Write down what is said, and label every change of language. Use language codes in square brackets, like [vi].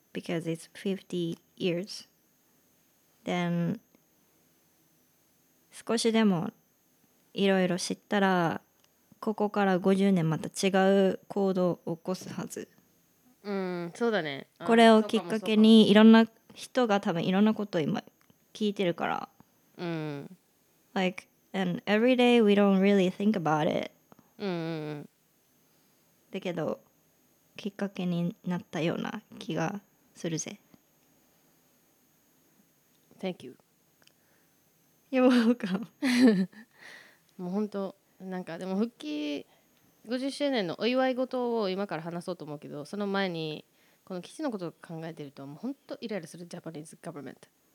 [en] because it's 50 years, then [ja] 少しでもいろいろ知ったらここから50年また違う行動を起こすはず。うん、そうだね。これをきっかけにいろんな人が多分いろんなことを今聞いてるから。うん。 [en] Like, and every day we don't really think about it. [ja] うんうんうん。だけど、きっかけになったような気がするぜ。 [en] Thank you. You're welcome. [ja] もう本当、なんかでも復帰50周年のお祝い事を今から話そうと思うけど、その前にこの基地のことを考えてるともう本当イライラするジャパニーズガバメント。